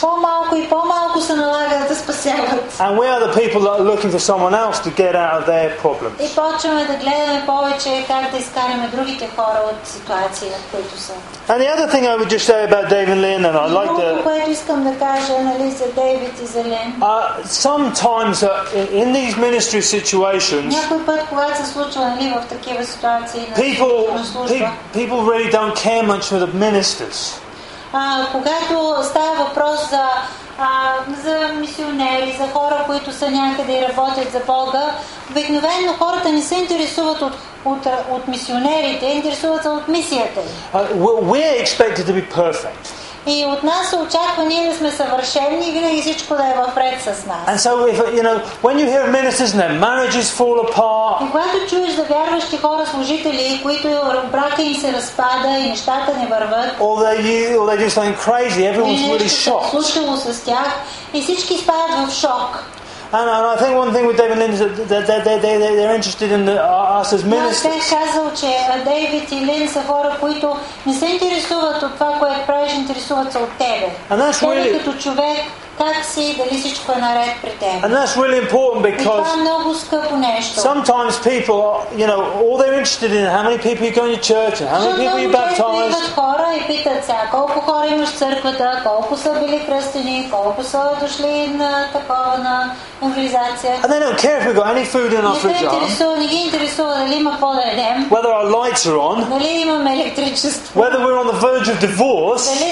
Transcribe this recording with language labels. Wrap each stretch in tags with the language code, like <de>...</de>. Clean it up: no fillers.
<bg>По-малко и по-малко се налага да спасяват.</bg> <en>And we are the people that are looking for someone else to get out of their problems.</en> <bg>И почваме да гледаме повече как да изкараме другите хора от ситуации, които са.</bg> <en>And the other thing I would just say about Dave and Lynn, and I'd like to.</en> <bg>Което искам да кажа, нали, за Дейвид и за Лин.</bg> <en>Sometimes in these ministry situations.</en> <bg>Някой път, когато се случва, нали, в такива ситуации на служба.</bg> <en>People really don't care much for the ministers.</en> <bg>Когато става въпрос за мисионери, за хора, които са някъде и работят за Бога, обикновено хората не се интересуват от мисионерите, интересуват се от мисията.</bg> <en>We are expected to be perfect.</en> <bg>И от нас се очаква ние да сме съвършени и винаги всичко да е вред с нас.</bg> <en>And so if, you know, when you hear ministers and their marriages fall apart.</en> <bg>И когато чуеш да вярващи хора, служители, които брака им се разпада и нещата не върват.</bg> <en>Or they do something crazy, everyone's really shocked.</en> <bg>И нещо се случило с тях и всички спадат в шок.</bg> <en>And I think one thing with Dave and Lynn is that they're interested in us as ministers.</en> <bg>Те казал, че Дейвид и Лин са хора, които не се интересуват от това, което правиш, интересуват се от тебе.</bg> <en>And that's really</en> <bg>като човек, как си, дали всичко е наред при теб.</bg> <en>And that's really important because</en> <bg>това е много скъпо нещо.</bg> <en>Sometimes people are, you know, all they're interested in how many people you go to church and how many people you baptize.</en> <bg>Много хора и питат сега, колко хора имаш в църквата, колко са били кръстени, колко са дошли на такова на.</bg> <en>And they don't care if we've got any food in our fridge. Whether our lights are on. Whether we're on the verge of divorce.</en>